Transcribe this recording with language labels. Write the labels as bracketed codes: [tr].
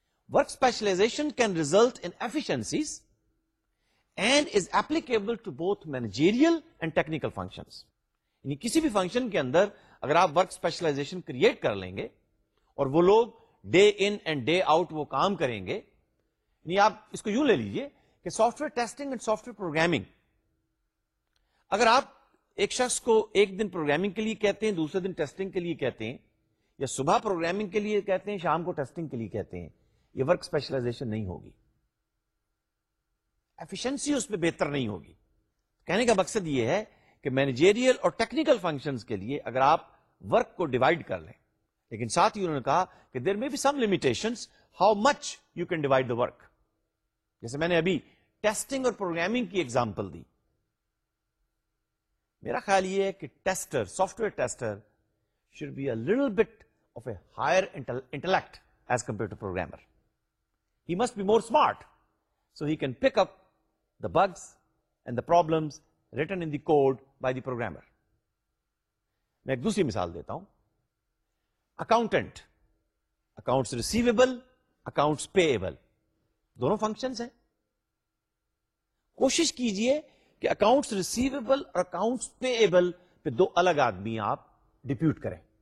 [en] Work specialization can result in efficiencies and is applicable to both managerial and technical functions. [ur] یعنی کسی بھی function کے اندر اگر آپ work specialization create کر لیں گے اور وہ لوگ [en] day in and day out [ur] وہ کام کریں گے, یعنی آپ اس کو یوں لے لیجیے کہ [en] software testing and software programming, [ur] اگر آپ ایک شخص کو ایک دن programming کے لیے کہتے ہیں, دوسرے دن testing کے لیے کہتے ہیں, یا صبح programming کے لیے کہتے ہیں, شام کو testing کے لیے کہتے ہیں, یہ work specialization نہیں ہوگی, ایفیشنسی اس میں بہتر نہیں ہوگی. کہنے کا مقصد یہ ہے کہ مینیجیریل اور ٹیکنیکل فنکشنز کے لیے اگر آپ ورک کو ڈیوائڈ کر لیں, لیکن ساتھ ہی انہوں نے کہا کہ [en] There may be some limitations how much you can divide the work. [ur] جیسے میں نے ابھی ٹیسٹنگ اور پروگرامنگ کی ایگزامپل دی, میرا خیال یہ ہے کہ tester, soft where tester [en] Should be a little bit of a higher intellect as compare to programmer. He must be more smart so he can pick up the bugs and the problems written in the code by the programmer. [ur] میں ایک دوسری مثال دیتا ہوں, accountant, accounts receivable, accounts payable, دونوں functions ہیں. کوشش کیجئے کہ اکاؤنٹس ریسیویبل اور اکاؤنٹس پیبل پہ دو الگ آدمی آپ ڈپیوٹ کریں.